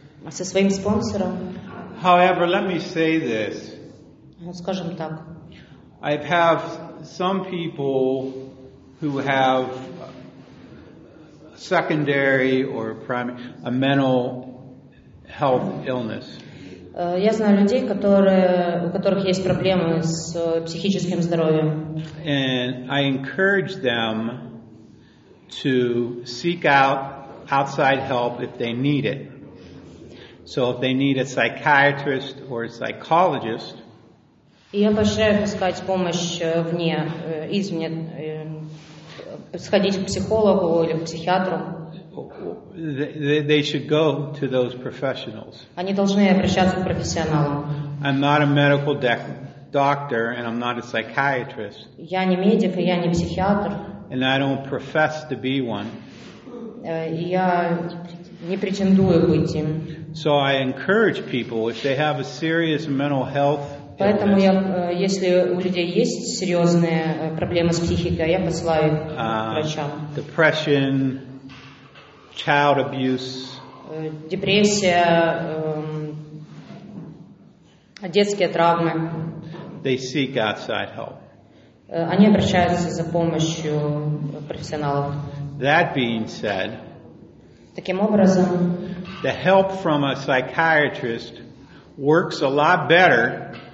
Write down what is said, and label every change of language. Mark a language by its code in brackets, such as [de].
[ru] Со своим спонсором. [en] However, let me say this. [ru] Ну, скажем так. [en] I have some people who have secondary or primary a mental health illness. [ru] Я знаю людей, у которых есть проблемы с психическим здоровьем. [en] And I encourage them to seek out outside help if they need it. So if they need a psychiatrist or a psychologist, [ru] я поощряю искать помощь вне, извне, сходить к психологу или к психиатру. [en] They should go to those professionals. [ru] Они должны обращаться к профессионалам. [en] I'm not a medical doctor and I'm not a psychiatrist. [ru] Я не медик и я не психиатр. [en] And I don't profess to be one. [ru] Я не претендую быть им. [en] So I encourage people if they have a serious mental health [ru] Поэтому я, если у людей есть серьезные проблемы с психикой, я посылаю их к врачам. [en] Depression, child abuse. [ru] Депрессия, детские травмы. [en] They seek outside help. [ru] Они обращаются за помощью профессионалов. [en] That being said, [ru] таким образом, [en] the help from a psychiatrist works a lot better